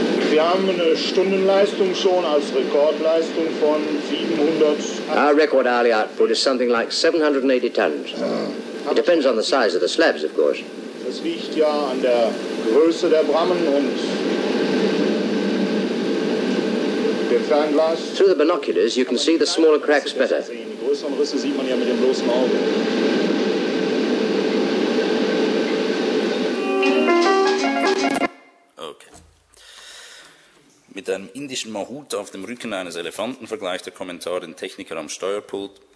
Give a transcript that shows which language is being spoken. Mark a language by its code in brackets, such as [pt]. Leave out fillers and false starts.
[de] Wir haben eine Stundenleistung schon als Rekordleistung von 700. [en] Our record hourly output is something like 780 tons. It depends on the size of the slabs, of course. [de] Das liegt ja an der Größe der Brammen und der Fernglas. [en] Through the binoculars you can see the smaller cracks better. [de] Die größeren Risse sieht man ja mit dem bloßen Auge. Mit einem indischen Mahut auf dem Rücken eines Elefanten vergleicht der Kommentar den Techniker am Steuerpult.